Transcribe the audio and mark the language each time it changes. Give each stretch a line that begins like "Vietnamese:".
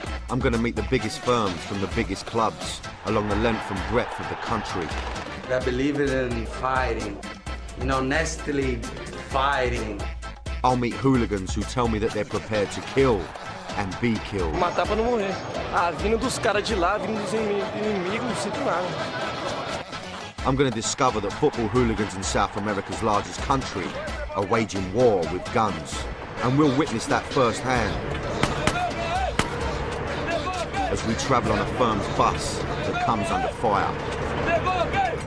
English: I'm going to meet the biggest firms from the biggest clubs along the length and breadth of the country. I believe in fighting, you know, nastily fighting. I'll meet hooligans who tell me that they're prepared to kill and be killed.
Portuguese: Matar pra não morrer. Ah, vindo dos caras de lá, vindo dos inimigos, não sinto nada.
English: I'm going to discover that football hooligans in South America's largest country are waging war with guns. And we'll witness that firsthand as we travel on a firm's bus that comes under fire.